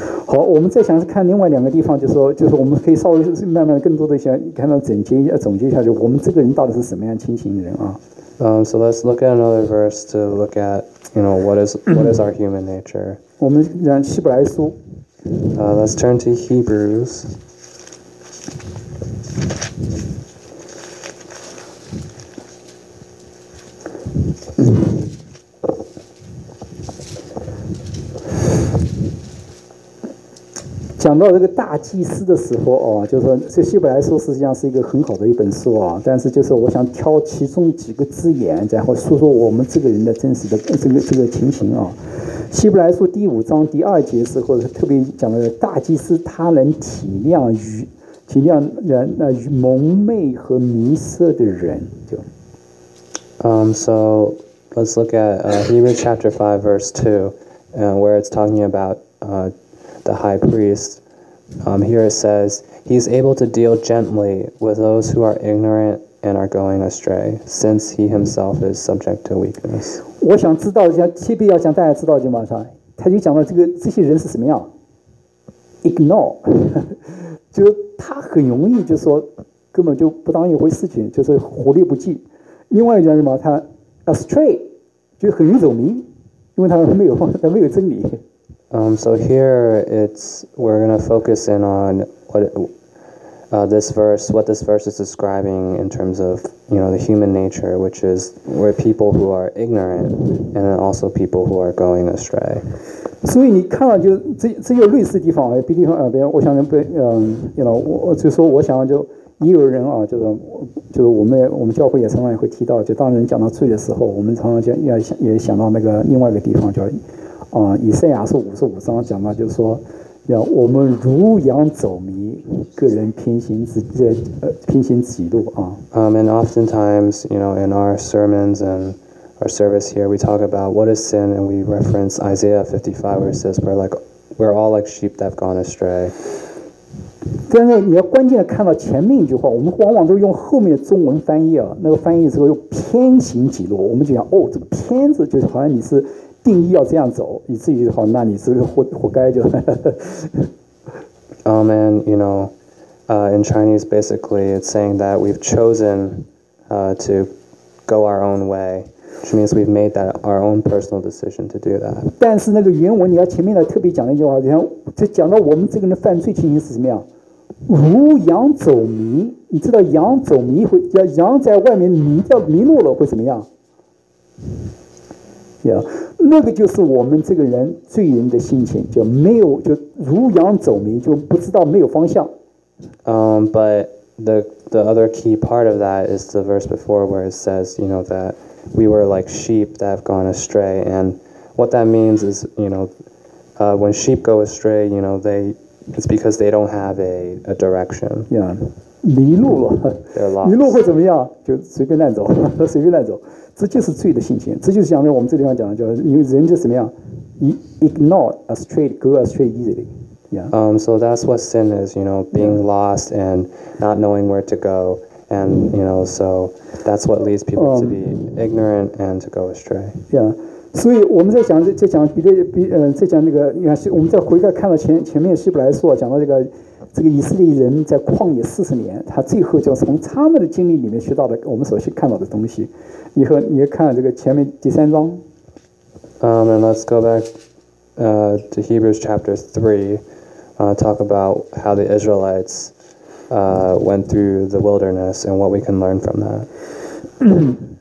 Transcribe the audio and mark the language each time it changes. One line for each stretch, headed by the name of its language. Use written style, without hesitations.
Chinese: 好，我们再想看另外两个地方，就是我们可以稍微慢慢更多的想看到总结一下，就我们这个人到底是什么样情形的人啊？
English: So let's look at another verse to look at, you know, what is our human nature.
Chinese: 我们讲希伯来书。
English: Let's turn to Hebrews.
Chinese: 讲到这个大祭司的时候哦，就是说这希伯来书实际上是一个很好的一本书啊，但是就是我想挑其中几个字眼，然后说说我们这个人的真实的这个情形啊。希伯来书第五章第二节时候特别讲的大祭司，他能体谅蒙昧和迷失的人，就。
English: So let's look at Hebrews chapter 5 verse 2, where it's talking about the high priest. Here it says, he is able to deal gently with those who are ignorant and are going astray, since he himself is subject to weakness.
Chinese: 我想知道，像特别要讲大家知道就马上，他就讲到这些人是什么样 ，
English: ignore，
Chinese: 就是他很容易就说根本就不当一回事情，就是忽略不计。另外一讲什么，他
English: astray，
Chinese: 就很容易走迷，因为他没有真理。
English: So here we're going to focus in on what this verse is describing in terms of, you know, the human nature, which is we're people who are ignorant and then also people who are going astray.
Chinese: 所以你看到就这有类似的地方，比如说我想就也有人啊，就是我们教会也常常也会提到，就当人讲到罪的时候，我们常常也想到那个另外一个地方，叫以赛亚书55章讲到，就是说，要我们如羊走迷，个人偏行己路啊。
English: And oftentimes, you know, in our sermons and our service here, we talk about what is sin, and we reference Isaiah 55, where it says we're all like sheep that have gone astray.
Chinese: 但是你要关键看到前面一句话，我们往往都用后面的中文翻译啊，那个翻译之后又偏行己路，我们就想哦，这个偏字就是好像你是定义要这样走，你自己就好，那你是活该就。
English: Oh man, you know, in Chinese, basically, it's saying that we've chosen, to go our own way, which means we've made that our own personal decision to do that.
Chinese: 但是那个原文你要前面来特别讲一句话，就讲到我们这个人的犯罪情形是什么样。如羊走迷，你知道羊走迷会，羊在外面迷路了会怎么样？
English: Yeah,
Chinese: 那个就是我们这个人罪人的心情，就没有，就如羊走迷，就不知道没有方向。
English: But the other key part of that is the verse before where it says, you know, that we were like sheep that have gone astray, and what that means is, you know, when sheep go astray, you know, they. It's because they don't have a direction. Yeah,
Chinese: 迷路了。
English: They're lost.
Chinese: 迷路会怎么样？就随便乱走，随便乱走。这就是罪的性情。这就是讲的我们这地方讲的，叫因为人就怎么样 ，
English: ignore a straight, go astray easily. Yeah. So that's what sin is. You know, being lost and not knowing where to go, and you know, so that's what leads people to be ignorant and to go astray. Yeah.
Chinese: 所以我们在讲，在讲那个，你看，我们再回过来看到前面希伯来书讲到这个以色列人在旷野40年，他最后就从他们的经历里面学到的，我们所去看到的东西。以后你看这个前面第三章。
English: And let's go back, to Hebrews chapter 3, talk about how the Israelites, went through the wilderness and what we can learn from that.